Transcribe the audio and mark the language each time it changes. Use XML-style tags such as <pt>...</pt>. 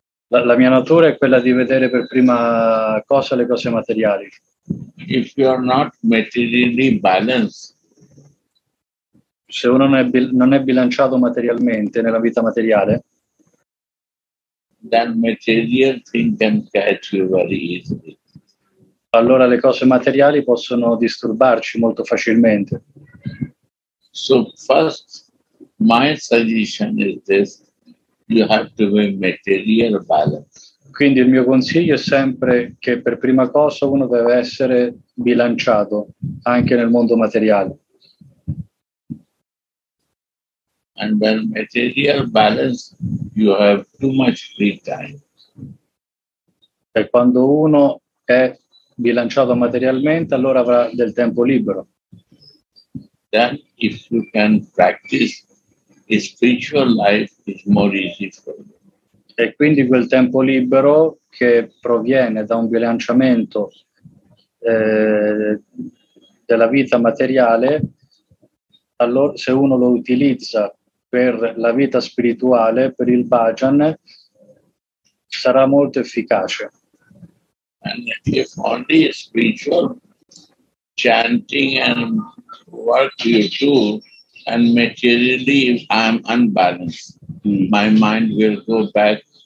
<it>La mia natura è quella di vedere per prima cosa le cose materiali.</it> <en>If you are not materially balanced,</en> <it>se uno non è bilanciato materialmente nella vita materiale,</it> <en>then material thing can catch you very easily.</en> <it>allora le cose materiali possono disturbarci molto facilmente.</it> <en>So first, my suggestion is this: you have to be material balanced.</en> <it>Quindi il mio consiglio è sempre che per prima cosa uno deve essere bilanciato anche nel mondo materiale.</it> <en>And when material balance, you have too much free time.</en> <it>E quando uno è bilanciato materialmente, allora avrà del tempo libero.</it> <en>Then if you can practice, the spiritual life is more easy for you.</en> <it>E quindi quel tempo libero che proviene da un bilanciamento della vita materiale, allora se uno lo utilizza per la vita spirituale, per il bhajan, sarà molto efficace.</it> <en>And if only spiritual chanting and work you do, and materially I'm unbalanced, my mind will go back.</en>